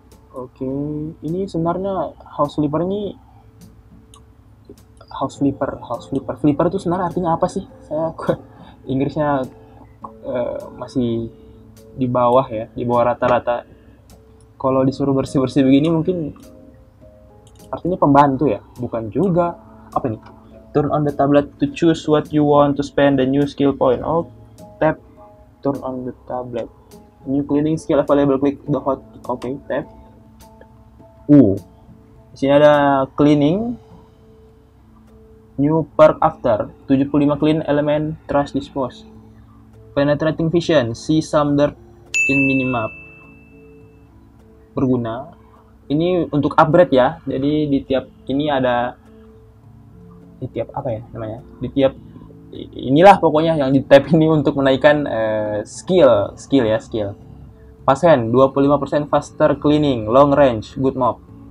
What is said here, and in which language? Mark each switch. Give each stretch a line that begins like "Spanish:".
Indonesian: Oke, ini sebenarnya house flipper ini house flipper itu sebenarnya artinya apa sih? Saya Inggrisnya masih di bawah ya, di bawah rata-rata. Kalau disuruh bersih-bersih begini mungkin artinya pembantu ya, bukan juga. Apa ini?
English: Turn on the tablet to choose what you want to spend the new skill point. Oh, tap turn on the tablet. New cleaning skill available, click the hot. Okay, tap.
Indonesian: Di sini ada cleaning.
English: New perk after 75 clean element trash dispose. Penetrating vision, see some dirt in minimap.
Indonesian: Berguna. Ini untuk upgrade ya. Jadi di tiap ini ada di tiap apa ya namanya? Di tiap inilah pokoknya yang di tab ini untuk menaikkan skill.
English: Fast hand 25% faster cleaning, long range, good mop.